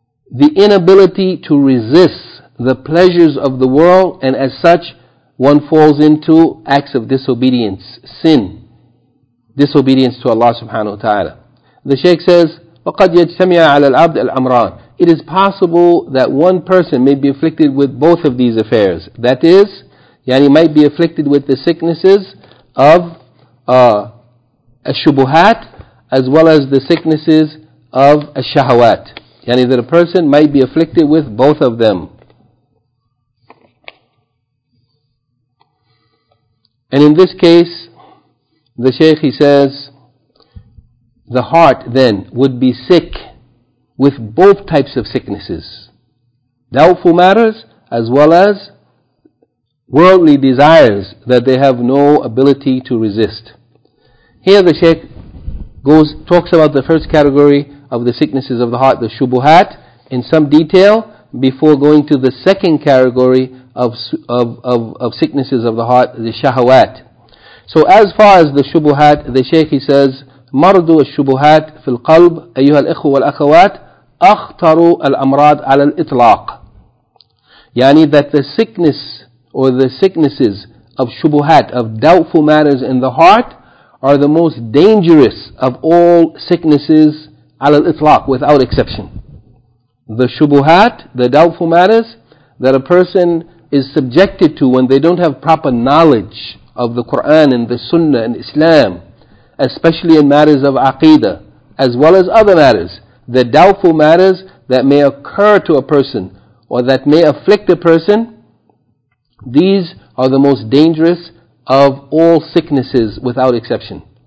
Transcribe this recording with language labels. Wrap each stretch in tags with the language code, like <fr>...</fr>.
<en>The inability to resist the pleasures of the world, and as such, one falls into acts of disobedience, sin, disobedience to Allah subhanahu wa ta'ala. The Shaykh says,</en> <ar>وَقَدْ يَجْتَمِعَ عَلَى الْعَبْدِ الْأَمْرَانِ.</ar> <en>It is possible that one person may be afflicted with both of these affairs. That is, yani might be afflicted with the sicknesses of الشُّبُهَات, as well as the sicknesses of الشَّهَوَات. Yani that a person might be afflicted with both of them. And in this case, the Shaykh, he says, the heart then would be sick with both types of sicknesses. Doubtful matters as well as worldly desires that they have no ability to resist. Here the Shaykh talks about the first category of the sicknesses of the heart, the shubuhat, in some detail before going to the second category of sicknesses of the heart, the shahawat. So as far as the shubuhat, the Shaykh, he says,</en> <ar>مرض الشبهات في القلب أيها الإخوة والأخوات أخطر الأمراض على الإطلاق.</ar> <en>يعني that the sickness or the sicknesses of shubuhat, of doubtful matters in the heart, are the most dangerous of all sicknesses</en> <ar>على الإطلاق,</ar> <en>without exception. The shubuhat, the doubtful matters that a person is subjected to when they don't have proper knowledge of the Quran and the Sunnah and Islam, especially in matters of aqidah, as well as other matters, the doubtful matters that may occur to a person or that may afflict a person, these are the most dangerous of all sicknesses without exception.</en>